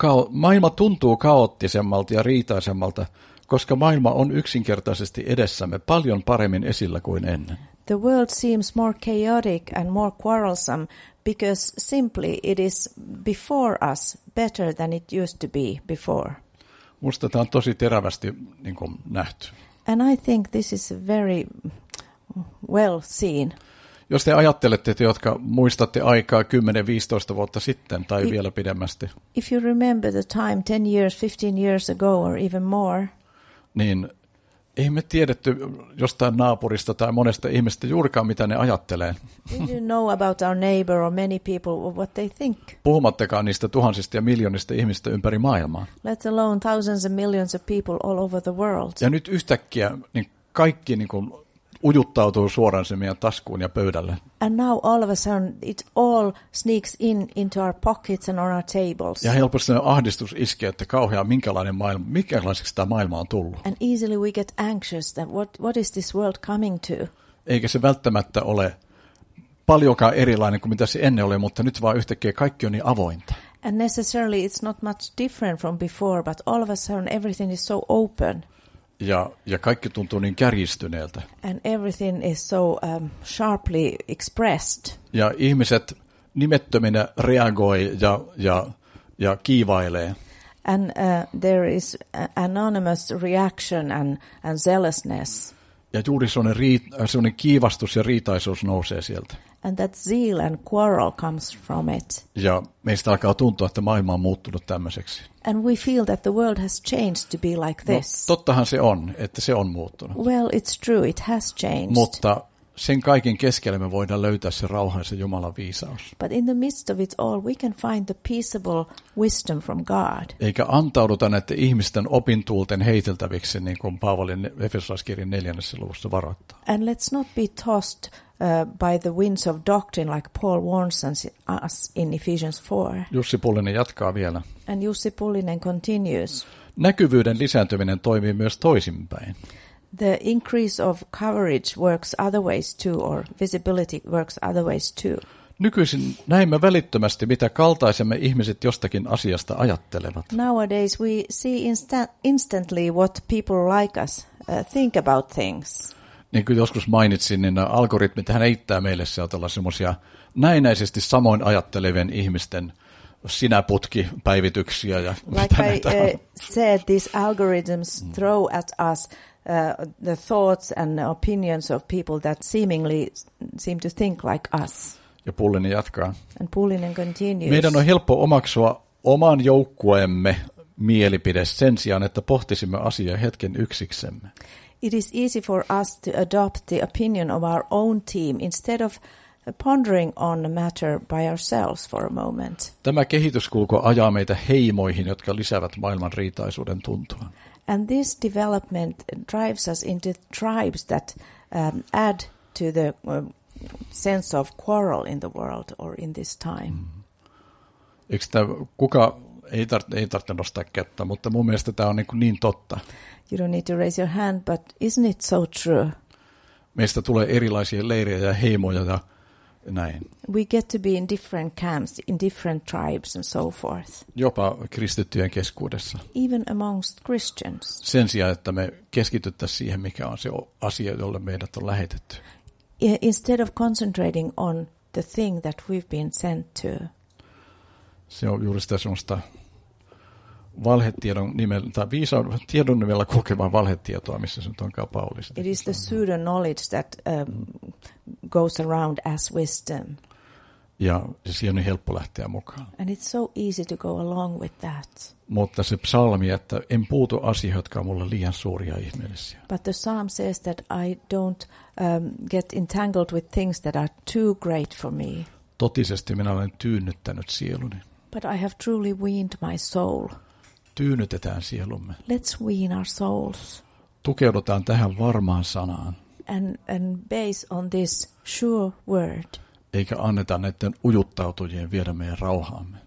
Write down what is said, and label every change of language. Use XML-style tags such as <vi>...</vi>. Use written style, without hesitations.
<fi>Maailma tuntuu kaoottisemmalta ja riitaisemmalta, koska maailma on yksinkertaisesti edessämme paljon paremmin esillä kuin ennen.</fi> <en>The world seems more chaotic and more quarrelsome because simply it is before us better than it used to be before.</en> <fi>Musta tämä on tosi terävästi niin kuin nähty.</fi> <en>And I think this is very well seen.</en> <fi>Jos te ajattelette, että jotka muistatte aikaa 10-15 vuotta sitten tai vielä pidemmästi.</fi> <en>If you remember the time 10 years, 15 years ago or even more.</en> <fi>Niin ei me tiedetty jostain naapurista tai monesta ihmistä juurikaan, mitä ne ajattelee.</fi> <en>We didn't know about our neighbor or many people or what they think.</en> <fi>Puhumattakaan niistä tuhansista ja miljoonista ihmistä ympäri maailmaa.</fi> <en>Let alone thousands and millions of people all over the world.</en> <fi>Ja nyt yhtäkkiä niin kaikki niin kuin ujuttautuu suoraan sen meidän taskuun ja pöydälle.</fi> <en>And now all of a sudden it all sneaks into our pockets and on our tables.</en> <fi>Ja helposti ahdistus iskee, että kauhea minkälainen maailma, mikälaiseksi tämä maailma on tullut.</fi> <en>And easily we get anxious that what is this world coming to?</en> <fi>Eikä se välttämättä ole paljonkaan erilainen kuin mitä se ennen oli, mutta nyt vaan yhtäkkiä kaikki on niin avointa.</fi> <en>And necessarily it's not much different from before, but all of a sudden everything is so open.</en> <fi>Ja kaikki tuntuu niin kärjistyneeltä.</fi> <en>And everything is so sharply expressed.</en> <fi>Ja ihmiset nimettöminä reagoi ja kiivailee.</fi> <en>And there is anonymous reaction and zealousness.</en> <fi>Ja juuri sellainen kiivastus ja riitaisuus nousee sieltä.</fi> <en>And that zeal and quarrel comes from it.</en> <fi>Ja meistä alkaa tuntua, että maailma on muuttunut tämmöiseksi.</fi> <en>And we feel that the world has changed to be like this.</en> <fi>No, tottahan se on, että se on muuttunut.</fi> <en>Well, it's true, it has changed.</en> <fi>Mutta sen kaiken keskellä me voidaan löytää se rauha ja se Jumalan viisaus.</fi> <en>But in the midst of it all, we can find the peaceable wisdom from God.</en> <fi>Eikä antauduta näiden ihmisten opintuulten heiteltäviksi, niin kuin Paavalin Efesolaiskirjan 4. luvussa varoittaa.</fi> <en>And let's not be tossed by the winds of doctrine like Paul warns us in Ephesians 4.</en> <fi>Jussi Pullinen jatkaa vielä.</fi> <en>And Jussi Pullinen continues.</en> <fi>Näkyvyyden lisääntyminen toimii myös toisinpäin.</fi> <en>The increase of coverage works other ways too, or visibility works other ways too.</en> <fi>Nykyisin näemme välittömästi, mitä kaltaisemme ihmiset jostakin asiasta ajattelevat.</fi> <en>Nowadays we see instantly what people like us think about things.</en> <fi>Niin kuin joskus mainitsin, niin algoritmit hän heittää meille sieltä semmoisia näennäisesti samoin ajattelevien ihmisten sinäputkipäivityksiä ja</fi> <en>like</en> <fi>mitä näitä on.</fi> <en>Said, these algorithms throw at us the thoughts and opinions of people that seemingly seem to think like us.</en> <fi>Ja Pullinen jatkaa.</fi> <en>And Pullinen continues.</en> <fi>Meidän on helppo omaksua oman joukkuemme mielipide sen sijaan, että pohtisimme asiaa hetken yksiksemme.</fi> <en>It is easy for us to adopt the opinion of our own team instead of pondering on the matter by ourselves for a moment.</en> <fi>Tämä kehityskulku ajaa meitä heimoihin, jotka lisäävät maailman riitaisuuden tuntua.</fi> <en>And this development drives us into tribes that add to the sense of quarrel in the world or in this time.</en> <fi>Eikö tämä, kuka ei tarvitse nostaa kättä, mutta mun mielestä tämä on niin totta.</fi> <en>You don't need to raise your hand, but isn't it so true?</en> <fi>Meistä tulee erilaisia leirejä ja heimoja ja näin.</fi> <en>We get to be in different camps, in different tribes and so forth.</en> <fi>Jopa kristittyjen keskuudessa.</fi> <en>Even amongst Christians.</en> <fi>Sen sijaan, että me keskityttäisiin siihen, mikä on se asia, jolle meidät on lähetetty.</fi> <en>Instead of concentrating on the thing that we've been sent to.</en> <fi>Se on juuri sitä semmoista valhetiedon nimellä, tai viisauden tiedon nimellä kulkevaa valhetietoa, missä se nyt onkaan Paulista.</fi> <en>It is the pseudo-knowledge that goes around as wisdom.</en> <fi>Ja siihen on helppo lähteä mukaan.</fi> <en>And it's so easy to go along with that.</en> <fi>Mutta se psalmi, että en puutu asioihin, jotka on mulle liian suuria ja ihmeellisiä.</fi> <en>But the psalm says that I don't get entangled with things that are too great for me.</en> <fi>Totisesti minä olen tyynnyttänyt sieluni.</fi> <en>But I have truly weaned my soul.</en> <fi>Tyynytetään sielumme.</fi> <en>Let's wean our souls.</en> <fi>Tukeudutaan tähän varmaan sanaan.</fi> <en>And base on this sure word.</en> <fi>Eikä anneta näiden ujuttautujien viedä meidän rauhaamme.</fi>